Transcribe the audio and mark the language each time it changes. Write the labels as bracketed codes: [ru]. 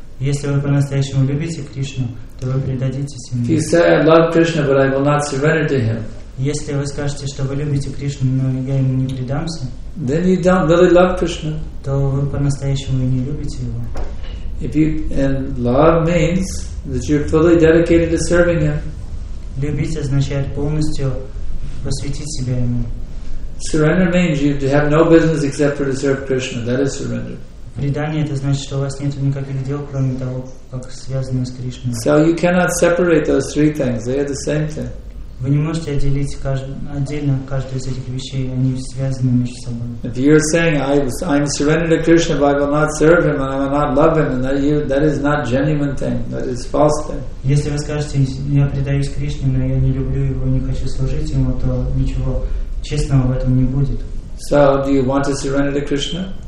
[ru] Если вы по-настоящему любите Кришну, то вы предадитесь Ему. [en] If you say, I love Krishna, but I will not surrender to Him. [ru] Если вы скажете, что вы любите Кришну, но я ему не предамся, [en] then you don't really love Krishna. [ru] То вы по-настоящему и не любите его. [en] If you, and love means that you're fully dedicated to serving Him. [ru] Любить означает полностью посвятить себя ему. [en] Surrender means you have no business except for to serve Krishna. That is surrender. [ru] Предание это значит, что у вас нет никаких дел, кроме того, как связанное с Кришной. [en] So you cannot separate those three things. They are the same thing. [ru] Вы не можете отделить отдельно каждую из этих вещей, они связаны между собой. [en] If you're saying I'm surrendered to Krishna, but I will not serve Him and I will not love Him, and that is not genuine thing, that is false thing. [ru] Если вы скажете, я предаюсь Кришне, но я не люблю Его, не хочу служить Ему, то ничего честного в этом не будет. [en] So, do you want to surrender to Krishna?